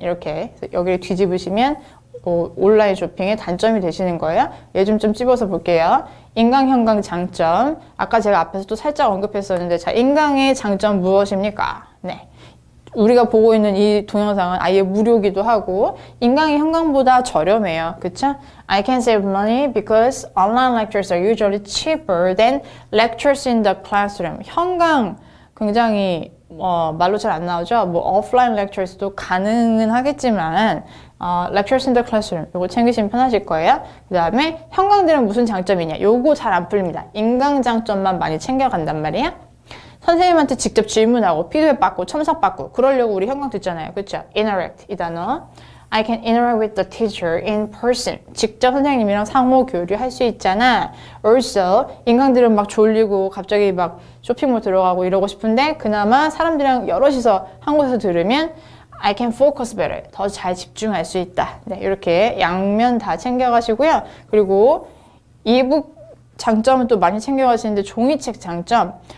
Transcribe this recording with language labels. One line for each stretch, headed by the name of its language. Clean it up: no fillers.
Korean: 이렇게 여기를 뒤집으시면 온라인 쇼핑의 단점이 되시는 거예요. 얘 좀 찝어서 볼게요. 인강현강 장점. 아까 제가 앞에서 또 살짝 언급했었는데, 자, 인강의 장점 무엇입니까? 네. 우리가 보고 있는 이 동영상은 아예 무료기도 하고, 인강이 현강보다 저렴해요. 그쵸?
English: I can save money because online lectures are usually cheaper than lectures in the classroom.
Korean: 현강 굉장히, 말로 잘안 나오죠?
English: 뭐, offline lectures도
Korean: 가능은 하겠지만,
English: lectures in the classroom.
Korean: 요거 챙기시면 편하실 거예요. 그 다음에, 형광들은 무슨 장점이냐? 요거 잘안 풀립니다. 인강 장점만 많이 챙겨간단 말이야. 선생님한테 직접 질문하고, 피드백 받고, 첨삭 받고, 그러려고 우리 형광 듣잖아요. 그쵸? interact. 이 단어.
English: I can interact with the teacher in person.
Korean: 직접 선생님이랑 상호 교류할 수 있잖아. Also, 인강들은 막 졸리고 갑자기 막 쇼핑몰 들어가고 이러고 싶은데, 그나마 사람들이랑 여럿이서 한 곳에서 들으면
English: I can focus better.
Korean: 더잘 집중할 수 있다. 네, 이렇게 양면 다 챙겨가시고요. 그리고 이북 장점은 또 많이 챙겨가시는데, 종이책 장점.